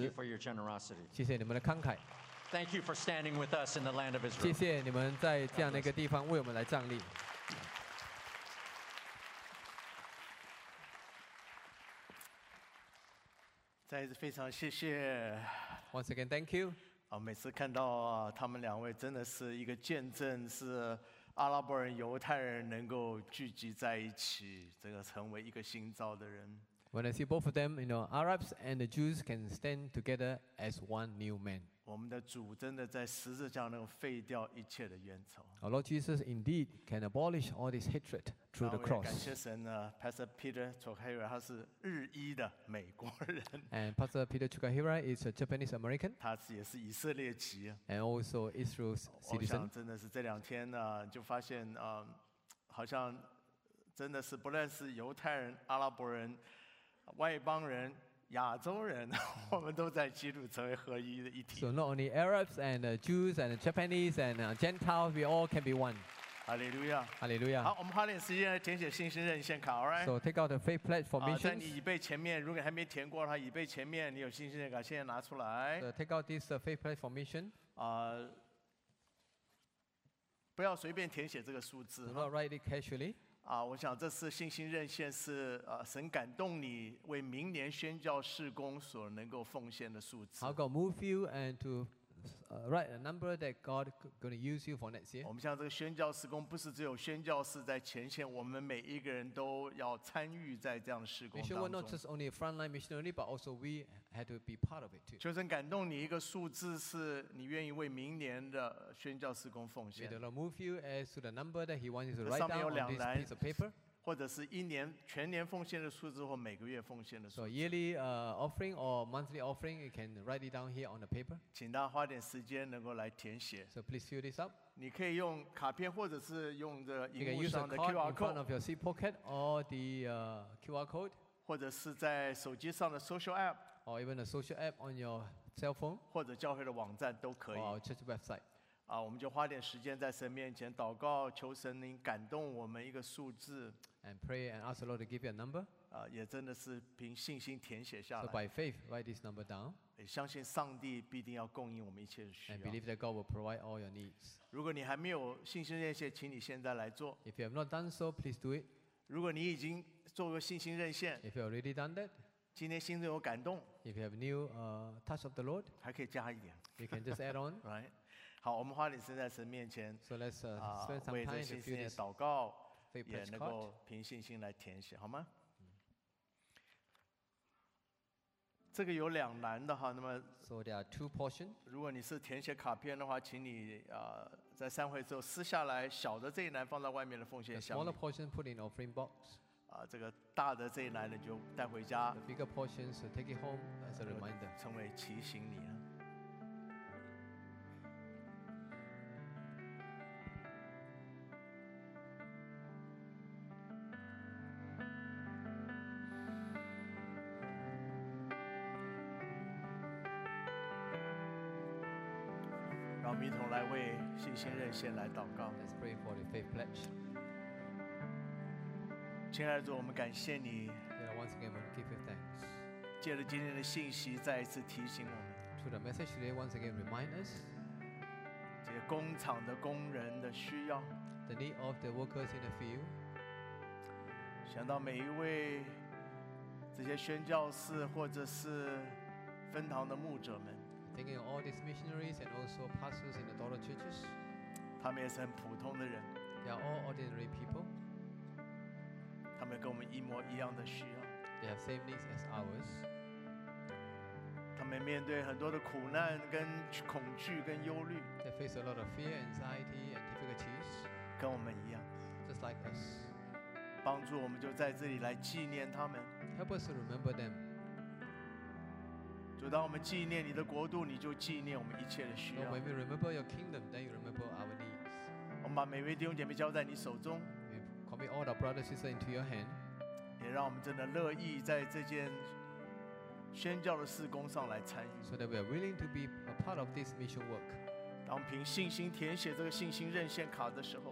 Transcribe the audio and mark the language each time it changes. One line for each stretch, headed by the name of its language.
English: Thank you for your generosity.
Chinese: 谢谢你们的慷慨。
English: Thank you for standing with us in the land of Israel.
Chinese: 谢谢你们在这样的一个地方为我们来站立。再一次非常谢谢。
English: Once again, thank you.
Chinese: 每次看到他们两位真的是一个见证，是阿拉伯人、犹太人能够聚集在一起，这个成为一个新造的人。
English: When I see both of them, you know, Arabs and the Jews can stand together as one new man.
Chinese: 我们的主真的在十字架能废掉一切的冤仇。
English: Our Lord Jesus indeed can abolish all this hatred through the cross.
Chinese: 感谢神呢 ，Pastor Peter Chukwuera 他是日裔的美国人。
English: And Pastor Peter Chukwuera is a Japanese American.
Chinese: 他也是以色列籍。
English: And also Israel's citizen.
Chinese: 我想真的是这两天呢，就发现好像真的是不论是犹太人、阿拉伯人。外邦人、亚洲人，我们都在基督成为合一的一体。
English: So not only Arabs and Jews and Japanese and Gentiles, we all can be one. Hallelujah. Hallelujah.
Chinese: 好，我们花点时间来填写信心认线卡 ，
English: All right? So take out the faith pledge formation.
Chinese: 在你椅背前面，如果还没填过的话，椅背前面你有信心认卡，现在拿出来。
English: So take out this faith pledge formation.
Chinese: 不要随便填写这个数字。
English: Do not write it casually.
Chinese: 我想这次信心任线是神感动你为明年宣教事工所能够奉献的数字。
English: How God move you and to write a number that God going to use you for next year?
Chinese: 我们像这个宣教事工，不是只有宣教士在前线，我们每一个人都要参与在这样的事工当中。
English: Mission was not just only a frontline missionary, but also we had to be part of it too.
Chinese: 求神感动你一个数字，是你愿意为明年的宣教事工奉献。
English: May the Lord move you as to the number that He wants you to write down on this piece of paper.
Chinese: 或者是一年全年奉献的数字或每个月奉献的数字。
English: So yearly offering or monthly offering, you can write it down here on the paper.
Chinese: 请大家花点时间能够来填写。
English: So please fill this up.
Chinese: 你可以用卡片或者是用这荧幕上的 QR
English: card in front of your seat pocket or the QR code.
Chinese: 或者是在手机上的 social app.
English: Or even a social app on your cell phone.
Chinese: 或者教会的网站都可以。
English: Or church website.
Chinese: 我们就花点时间在神面前祷告，求神您感动我们一个数字。
English: And pray and ask the Lord to give you a number.
Chinese: 也真的是凭信心填写下来。
English: So by faith, write this number down.
Chinese: 也相信上帝必定要供应我们一切的需要。
English: And believe that God will provide all your needs.
Chinese: 如果你还没有信心认线，请你现在来做。
English: If you have not done so, please do it.
Chinese: 如果你已经做过信心认线
English: ，If you have already done that,
Chinese: 今天心中有感动
English: ，If you have new touch of the Lord,
Chinese: 还可以加一点
English: ，You can just add on, right?
Chinese: 好，我们花点时间在神面前，所以为这信心的祷告，也能够凭信心来填写，好吗？这个有两栏的哈，那么
English: so there are two portions.
Chinese: 如果你是填写卡片的话，请你在散会之后撕下来小的这一栏放在外面的奉献箱里。
English: Smaller portion put in offering box.
Chinese: 这个大的这一栏呢就带回家。
English: The bigger portion so take it home as a reminder.
Chinese: 成为提醒你。我们一同来为信心认线来祷告。
English: Let's pray for the faith pledge.
Chinese: 亲爱的主，我们感谢你。
English: Yeah, once again, we give you thanks.
Chinese: 借着今天的信息，再一次提醒我们。
English: Through the message today, once again, remind us.
Chinese: 这工厂的工人的需要。
English: The need of the workers in the field.
Chinese: 想到每一位这些宣教士或者是分堂的牧者们。
English: Thinking of all these missionaries and also pastors in the daughter churches.
Chinese: 他们也是很普通的人。
English: They are all ordinary people.
Chinese: 他们跟我们一模一样的需要。
English: They have same needs as ours.
Chinese: 他们面对很多的苦难跟恐惧跟忧虑。
English: They face a lot of fear, anxiety, and difficulties.
Chinese: 跟我们一样。
English: Just like us.
Chinese: 帮助我们就在这里来纪念他们。
English: Help us to remember them.
Chinese: 主，当我们纪念你的国度，你就纪念我们一切的需要。
English: When we remember your kingdom, then you remember our needs.
Chinese: 我们把每位弟兄姐妹交在你手中。
English: We commit all our brothers and sisters into your hand.
Chinese: 也让我们真的乐意在这件宣教的事工上来参与。
English: So that we are willing to be a part of this mission work.
Chinese: 当凭信心填写这个信心认线卡的时候。